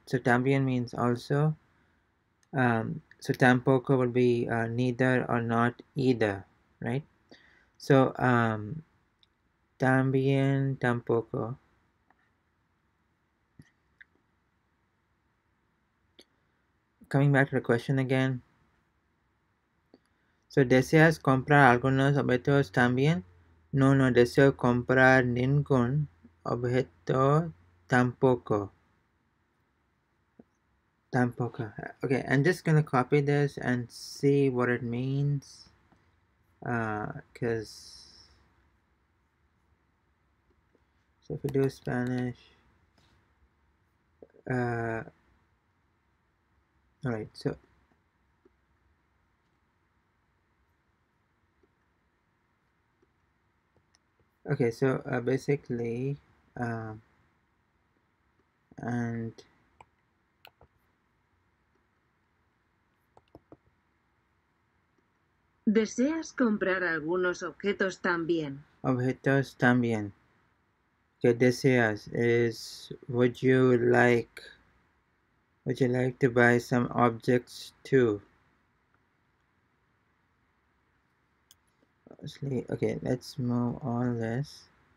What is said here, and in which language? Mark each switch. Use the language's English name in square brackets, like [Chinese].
[English] So también means also. So tampoco would be neither or not either, right? [Spanish] So también tampoco. [English] Coming back to the question again. [Spanish] So deseas comprar algunos objetos también? No, deseo comprar ningún objeto tampoco. Tampoco. [English] Okay, I'm just gonna copy this and see what it means. Cause so if we do Spanish. All right. So. Okay, so basically, and [Spanish] ¿Deseas comprar algunos objetos también? objetos también. Que deseas [English] is would you like to buy some objects too? Okay, let's move on this.